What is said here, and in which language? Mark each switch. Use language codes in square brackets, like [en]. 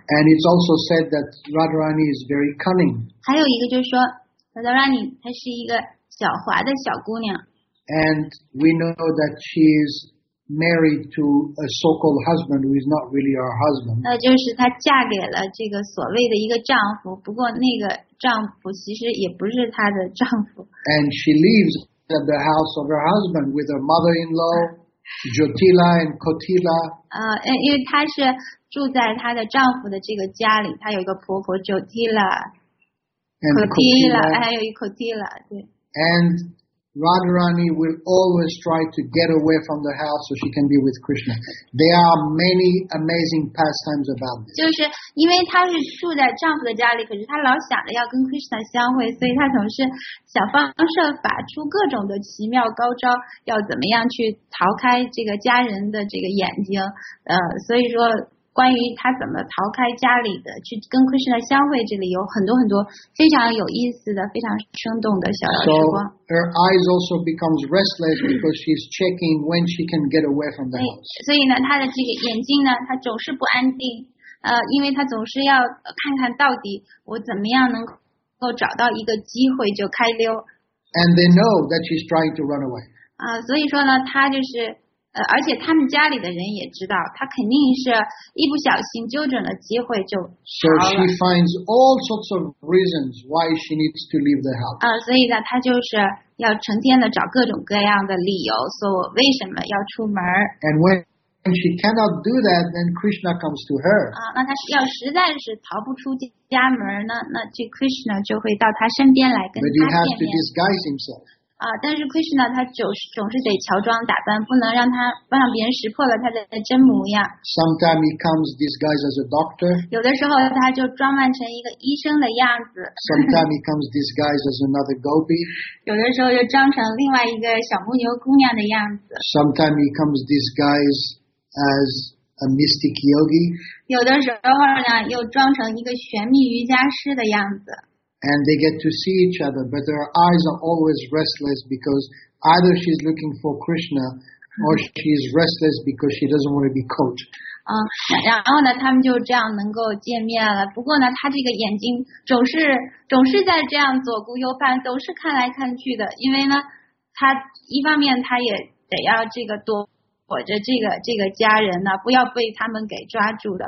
[en] And it's also said that Radharani is very cunning. [zh] 还有一个就是说 ，Radharani 她是一个狡猾的小姑娘。 [en] And we know that she is married to a so-called husband who is not really her husband. [zh] 那就是她嫁给了这个所谓的一个丈夫，不过那个。丈夫其实也不是她的丈夫。 [en] And she lives at the house of her husband with her mother-in-law, Jyotila and Kotila. [zh] 因为她是住在她的丈夫的这个家里，她有一个婆婆 Jyotila, Kotila, 还有一个 Kotila, 对。 [en] And Radharani will always try to get away from the house so she can be with Krishna. There are many amazing pastimes about this. [zh] 就是因为她是住在丈夫的家里，可是她老想着要跟 Krishna 相会，所以她总是想方设法出各种的奇妙高招，要怎么样去逃开这个家人的这个眼睛。所以说关于她怎么逃开家里的去跟 Krishna 相会，这里有很多很多非常有意思的非常生动的小时光。 [en] Her eyes also becomes restless because she's checking when she can get away from the house. [zh] 所以呢她的这个眼睛呢她总是不安定，因为她总是要看看到底我怎么样能够找到一个机会就开溜。 [en] And they know that she's trying to run away. [zh] 所以说呢她就是而且他们家里的人也知道，他肯定是一不小心揪准了机会就逃了。 [en] So she finds all sorts of reasons why she needs to leave the house. [zh] 所以呢，他就是要成天的找各种各样的理由，说我为什么要出门。 [en] And when she cannot do that, then Krishna comes to her. [zh] 那他要实在是逃不出家门呢，那这 Krishna 就会到他身边来跟他见面。 [en] But he has to disguise himself. [zh] 但是 Krishna 他总是得乔装打扮，不能让别人识破了他的真模样。 [en] Sometimes he comes disguised as a doctor. [zh] 有的时候他就装扮成一个医生的样子。 [en] Sometimes he comes disguised as another gopi. [zh] 有的时候就装成另外一个小牧牛姑娘的样子。 [en] Sometimes he comes disguised as a mystic yogi. [zh] 有的时候呢，又装成一个玄秘瑜伽师的样子。 [en] And they get to see each other, but their eyes are always restless because either she's looking for Krishna or she's restless because she doesn't want to be caught. [zh] 然后呢，他们就这样能够见面了。不过呢，他这个眼睛总是在这样左顾右盼，总是看来看去的。因为呢，他一方面他也得要这个躲着这个家人呢，不要被他们给抓住的。